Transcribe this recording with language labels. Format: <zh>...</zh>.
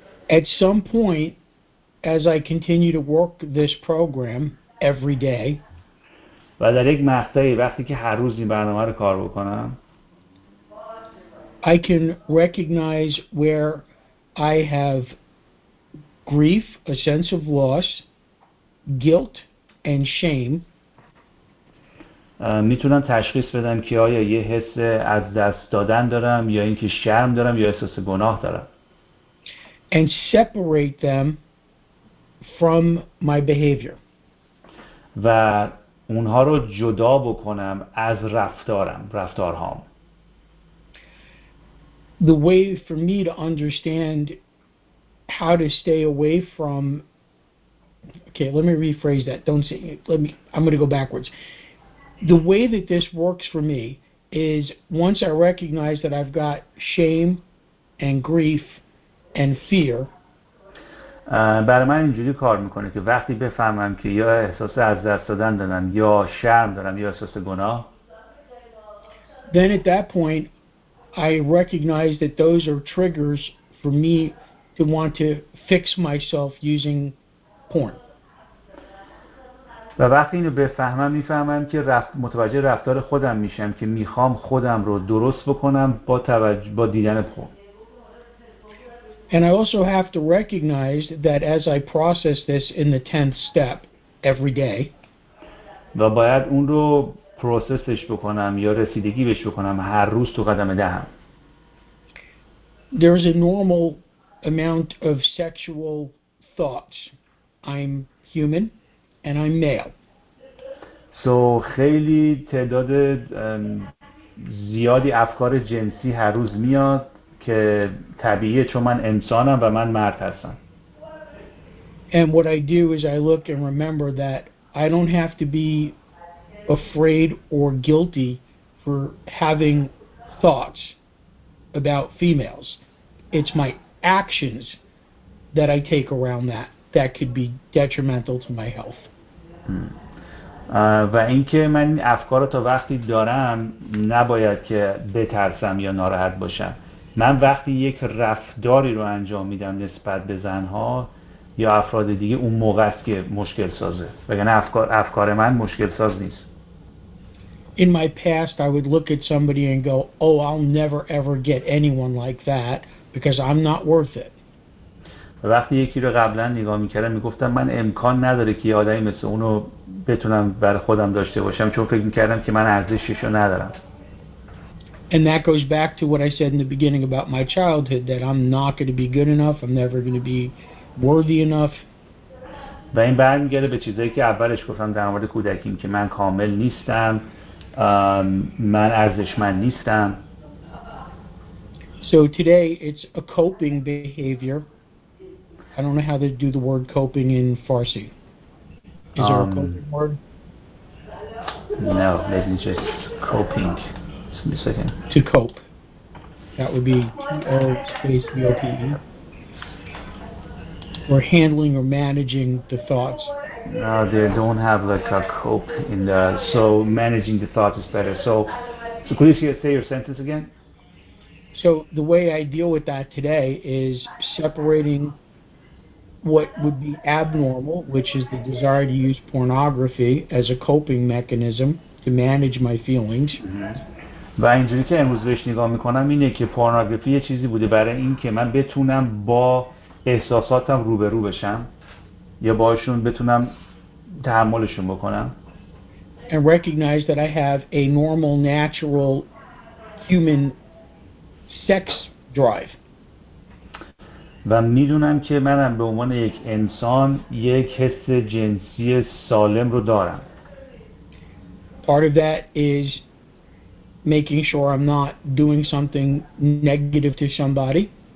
<en>At some point, as I continue to work this program every day,</en> <fa>و در یک مقطعی وقتی که هر روز این برنامه رو کار بکنم,</fa> <en>I can recognize where I have grief, a sense of loss, guilt, and shame.</en> <fa>میتونم تشخیص بدم که آیا یه حس از دست دادن دارم یا اینکه شرم دارم یا احساس گناه دارم.</fa> <en>And separate them from my behavior.</en> <fa>و اونها رو جدا بکنم از رفتارهام.</fa> <en>The way for me to understand how to stay away from, okay, let me rephrase that. Don't say, I'm going to go backwards. The way that this works for me is once I recognize that I've got shame and grief and fear.</en> <fa>برای من اینجوری کار میکنه که وقتی بفهمم که یا احساس از دست دادن دارم یا شرم دارم یا احساس گناه.</fa> <en>Then at that point, I recognize that those are triggers for me to want to fix myself using porn.</en> <fa>و وقتی اینو بفهمم میفهمم که متوجه رفتار خودم میشم که میخوام خودم رو درست بکنم با دیدن پورن.</fa> <en>And I also have to recognize that as I process this in the 10th step every day,</en> <fa>و باید اون رو پروسسش بکنم یا رسیدگی بهش بکنم هر روز تو قدم دهم.</fa> <en>There is a normal amount of sexual thoughts. I'm human and I'm male.</en> <fa>So خیلی تعداد زیادی افکار جنسی هر روز میاد که طبیعیه چون من انسانم و من مرد هستم.</fa> <en>And what I do is I look and remember that I don't have to be afraid or guilty for having thoughts about females. It's my actions that I take around that could be detrimental to my health.</en> <fa>و اینکه من افکار تا وقتی دارم نباید که بترسم یا ناراحت باشم. من وقتی یک رفتاری رو انجام میدم نسبت به زنها یا افراد دیگه اون موقع است که مشکل سازه. وگرنه افکار من مشکل ساز نیست.</fa> <en>In my past I would look at somebody and go, "Oh, I'll never ever get anyone like that because I'm not worth it."</en> <fa>وقتی یکی رو قبلا نگاه میکردم میگفتم من امکان نداره که یه آدمی مثل اونو بتونم برای خودم داشته باشم چون فکر میکردم که من ارزششو ندارم.</fa> <en>And that goes back to what I said in the beginning about my childhood, that I'm not going to be good enough, I'm never going to be worthy enough.</en> <fa>و این برمیگرده به چیزایی که اولش گفتم در مورد کودکیم که من کامل نیستم, من ارزشمند نیستم.</fa> <en>So today it's a coping behavior. I don't know how to do the word coping in Farsi. Is there a coping word? No, maybe just coping. Let me say again. To cope. That would be COPE. Or handling or managing the thoughts. No, they don't have like a cope in the, so managing the thoughts is better. So could you say your sentence again? So the way I deal with that today is separating what would be abnormal, which is the desire to use pornography as a coping mechanism to manage my feelings. Mm-hmm.</en> <fa>و اینجوری که امروز بهش نگاه میکنم اینه که پورنوگرافی یه چیزی بوده برای این که من بتونم با احساساتم روبرو بشم یا باشون بتونم تحملشون بکنم.</fa> <en>And recognize that I have a normal, natural human sex drive.</en> <fa>و میدونم که منم به عنوان یک انسان یک حس جنسی سالم رو دارم.</fa> <en>Part of that is making sure I'm not doing something negative to somebody.</en>